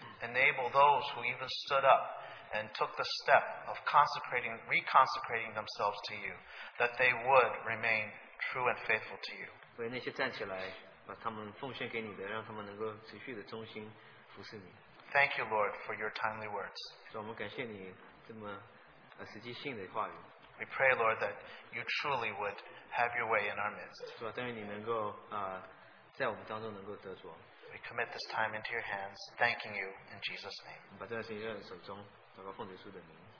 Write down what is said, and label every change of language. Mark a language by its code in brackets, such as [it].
[en] Enable those who even stood up and took the step of consecrating, reconsecrating themselves to you, that they would remain true and faithful to you. [zh] 为那些站起来把他们奉献给你的，让他们能够持续的忠心服侍你。 [en] Thank you, Lord, for your timely words. [zh] 主，我们感谢你这么实际性的话语。 [en] We pray, Lord, that you truly would have your way in our midst. [zh] 主，但愿你能够在我们当中能够得着。 [en] We commit this time into your hands, thanking you in Jesus' name. [zh] 把这段时间交在你手中，祷告奉主耶稣的名。